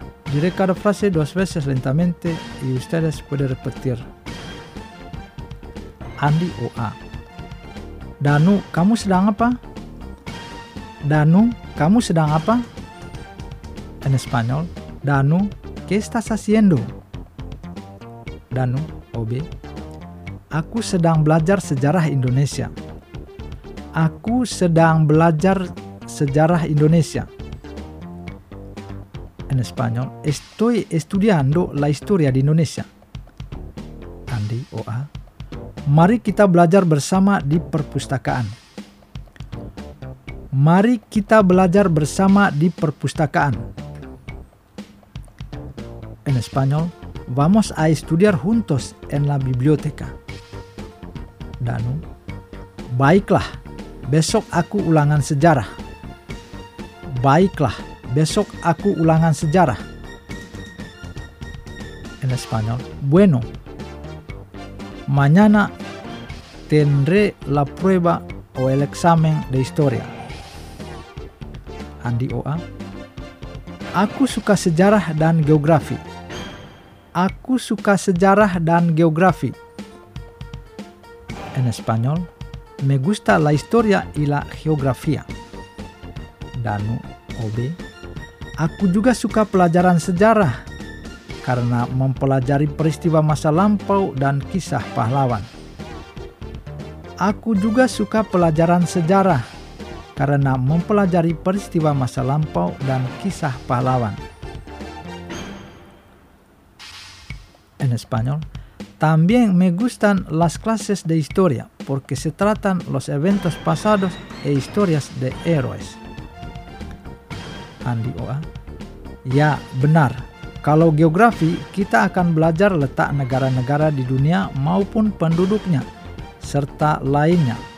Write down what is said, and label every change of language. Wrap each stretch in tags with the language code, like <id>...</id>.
<es>Diré cada frase dos veces lentamente y ustedes pueden repetir.</es> <id>Andy o A. Danu, ¿kamu sedang apa?</id> <es>Danu,</es> <id>¿kamu sedang apa?</id> <es>En español, Danu, ¿qué estás haciendo? Danu o B.</es> <id>Aku sedang belajar sejarah Indonesia. Aku sedang belajar sejarah Indonesia.</id> <es>En español, estoy estudiando la historia de Indonesia. Andi o A.</es> <id>Mari kita belajar bersama di perpustakaan. Mari kita belajar bersama di perpustakaan.</id> <es>En español, vamos a estudiar juntos en la biblioteca.</es> <id>Danu, baiklah, besok aku ulangan sejarah. Baiklah, besok aku ulangan sejarah.</id> <es>En español, bueno, mañana tendré la prueba o el examen de historia.</es> <id>Andi Oa, aku suka sejarah dan geografi. Aku suka sejarah dan geografi.</id> <es>En español, me gusta la historia y la geografía.</es> <id>Danu Obe, aku juga suka pelajaran sejarah karena mempelajari peristiwa masa lampau dan kisah pahlawan. Aku juga suka pelajaran sejarah karena mempelajari peristiwa masa lampau dan kisah pahlawan.</id> <es>En español, también me gustan las clases de historia porque se tratan los eventos pasados e historias de héroes.</es> <id>Andi Oa. Ya, benar. Kalau geografi, kita akan belajar letak negara-negara di dunia maupun penduduknya, serta lainnya.</id>